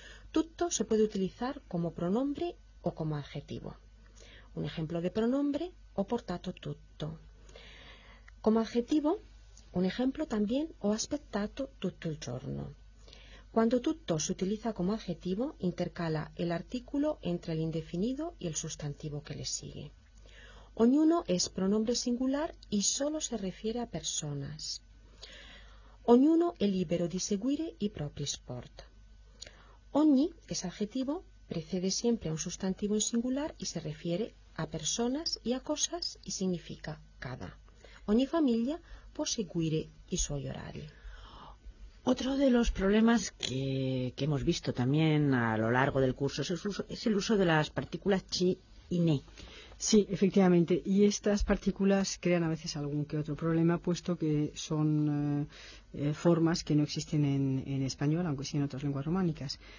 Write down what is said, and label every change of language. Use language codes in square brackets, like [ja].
[es] Tutto se puede utilizzare come pronombre o come adjetivo. Un ejemplo de pronombre, [it] ho portato tutto. [es] Como adjetivo, un ejemplo también, [it] ho aspettato tutto il giorno. [es] Cuando tutto se utiliza como adjetivo, intercala el artículo entre el indefinido y el sustantivo que le sigue. Ognuno es pronombre singular y solo se refiere a personas. [it] Ognuno è libero di seguire i propri sport. [es] Ogni es adjetivo, precede siempre a un sustantivo en singular y se refiere a personas y a cosas y significa cada. [it] Ogni famiglia può seguire i suoi orari. [es] Otro de los problemas que hemos visto también a lo largo del curso es el uso de las partículas chi y ne. Sí, efectivamente. Y estas partículas crean a veces algún que otro problema, puesto que son formas que no existen en español, aunque sí en otras lenguas románicas.